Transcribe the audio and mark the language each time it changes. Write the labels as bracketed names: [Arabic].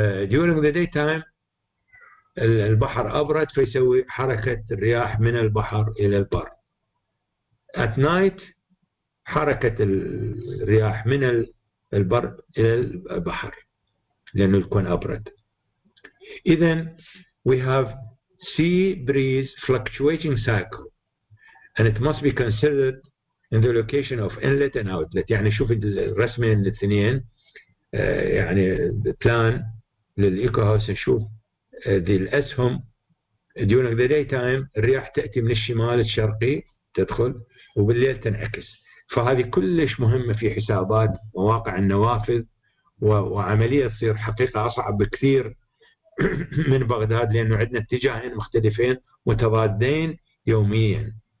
[English] During the daytime [Arabic] البحر أبرد، فيسوي حركة الرياح من البحر إلى البر. [English] At night [Arabic] حركة الرياح من البر إلى البحر. لأنه يكون أبرد. إذن [English] we have sea breeze fluctuating cycle and it must be considered in the location of inlet and outlet. [Arabic] يعني شوف الرسمين الاثنين يعني بلان للإيكو هاوس نشوف ذي الأسهم [English] during the daytime [Arabic] الرياح تأتي من الشمال الشرقي تدخل وبالليل تنعكس. فهذه كلش مهمة في حسابات مواقع النوافذ وعملية تصير حقيقة أصعب بكثير من بغداد لأنه عندنا اتجاهين مختلفين متضادين يوميا.